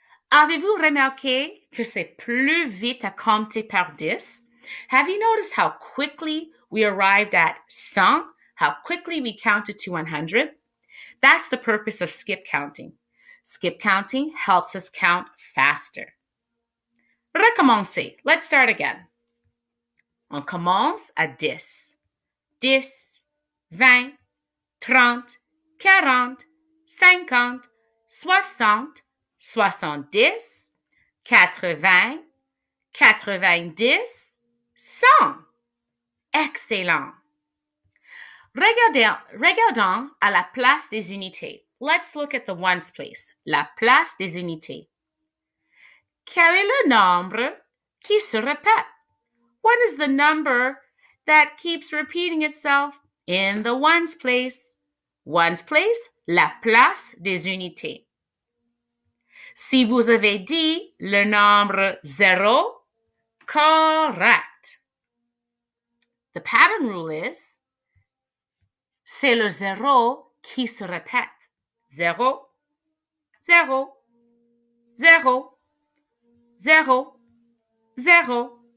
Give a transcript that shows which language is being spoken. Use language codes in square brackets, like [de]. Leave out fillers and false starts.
[fr] Avez-vous remarqué que c'est plus vite à compter par 10? [en] Have you noticed how quickly we arrived at 100? How quickly we counted to 100? That's the purpose of skip counting. Skip counting helps us count faster. [fr] Recommencez. [en] Let's start again. [fr] On commence à 10. 10, 20, 30, 40, 50, 60, 70, 80, 90, 100. Excellent. Regardons à la place des unités. [en] Let's look at the ones place. [fr] La place des unités. Quel est le nombre qui se répète? [en] What is the number that keeps repeating itself in the ones place? Ones place, [fr] la place des unités. Si vous avez dit le nombre zéro, correct. [en] The pattern rule is, [fr] c'est le zéro qui se répète. Zéro, zéro, zéro, zéro, zéro.